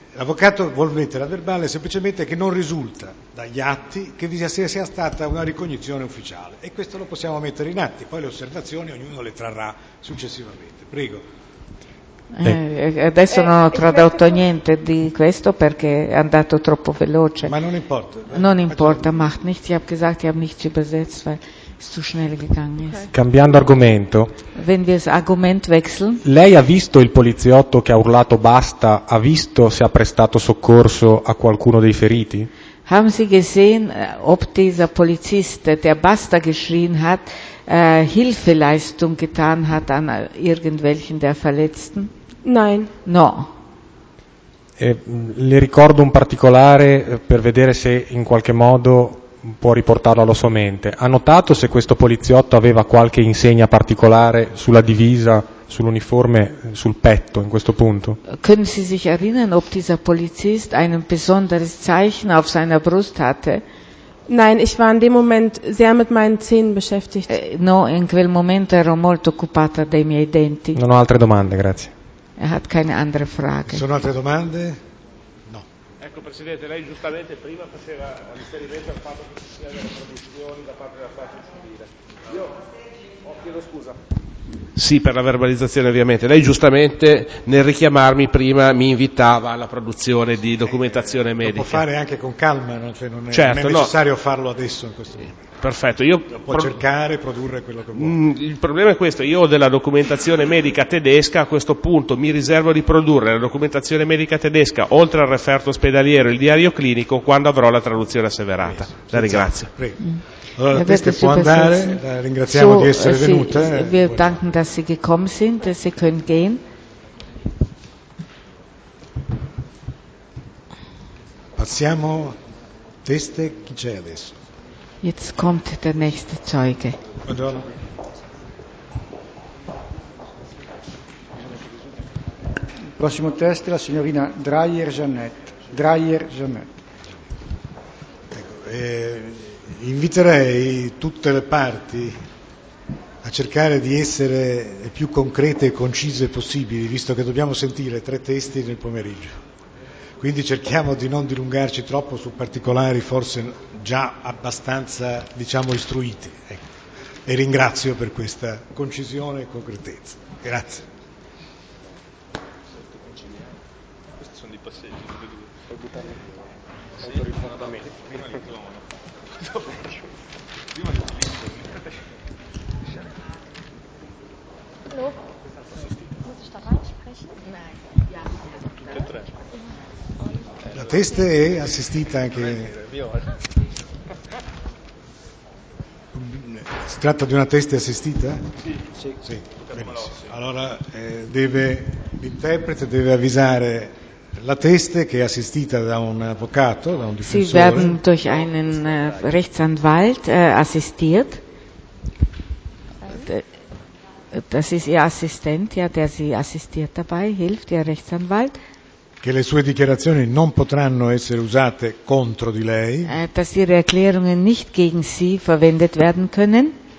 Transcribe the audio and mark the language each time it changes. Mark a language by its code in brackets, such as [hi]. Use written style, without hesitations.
[it] L'avvocato vuol mettere a verbale semplicemente che non risulta dagli atti che vi sia stata una ricognizione ufficiale. E questo lo possiamo mettere in atti, poi le osservazioni ognuno le trarrà successivamente. Prego. Adesso non ho tradotto niente di questo perché è andato troppo veloce. Ma non importa. [de] Macht nichts. Ich habe gesagt, ich habe nichts übersetzt, weil es zu schnell gegangen ist. [it] Cambiando argomento. [de] Wenn wir das Argument wechseln. [it] Lei ha visto il poliziotto che ha urlato basta? Ha visto se ha prestato soccorso a qualcuno dei feriti? [de] Haben Sie gesehen, ob dieser Polizist, der basta geschrien hat, Hilfeleistung getan hat an irgendwelchen der Verletzten? Nein. [it] No. Le ricordo un particolare per vedere se in qualche modo può riportarlo alla sua mente. Ha notato se questo poliziotto aveva qualche insegna particolare sulla divisa, sull'uniforme, sul petto in questo punto? [de] Können Sie sich erinnern, ob dieser Polizist ein besonderes Zeichen auf seiner Brust hatte? Nein, ich war in dem Moment sehr mit meinen Zähnen beschäftigt. [it] No, in quel momento ero molto occupata dei miei denti. Non ho altre domande, grazie. [de] Er hat keine andere Frage. [it] Sono altre domande? No. Ecco, Presidente, lei giustamente prima faceva riferimento al fatto che ci siano delle produzioni da parte della parte civile. Io chiedo scusa. Sì, per la verbalizzazione ovviamente. Lei giustamente nel richiamarmi prima mi invitava alla produzione di documentazione medica. Lo può fare anche con calma, no? Cioè, non è, certo, non è necessario, no, farlo adesso in questo momento. Perfetto, io può cercare e produrre quello che vuole. Il problema è questo, io ho della documentazione medica tedesca, a questo punto mi riservo di produrre la documentazione medica tedesca, oltre al referto ospedaliero e il diario clinico, quando avrò la traduzione asseverata. Sì, la ringrazio. Sì, prego. Allora, questa può andare, la ringraziamo di essere venuta. [de] Wir danken, dass Sie gekommen sind, dass Sie können gehen. [it] Passiamo teste, chi c'è adesso? [de] Jetzt kommt der nächste Zeuge. [it] Buongiorno. Il prossimo test è la signorina Dreyer-Janet. Ecco, inviterei tutte le parti a cercare di essere le più concrete e concise possibili, visto che dobbiamo sentire 3 testi nel pomeriggio. Quindi cerchiamo di non dilungarci troppo su particolari forse già abbastanza, diciamo, istruiti. Ecco. E ringrazio per questa concisione e concretezza. Grazie. Questi sono i passeggi. [de] Hallo? Muss ich da reinsprechen? Nein. Ja. [it] La testa è assistita anche. Si tratta di una testa assistita? Sì. Allora l'interprete deve avvisare la testa che è assistita da un avvocato, da un difensore. [de] Sie werden durch einen Rechtsanwalt assistiert. Das ist ihr Assistent, ja, der sie assistiert dabei, hilft ihr Rechtsanwalt. [it] Che le sue dichiarazioni non potranno essere usate contro di lei. [de] Dass ihre Erklärungen nicht gegen sie verwendet werden können.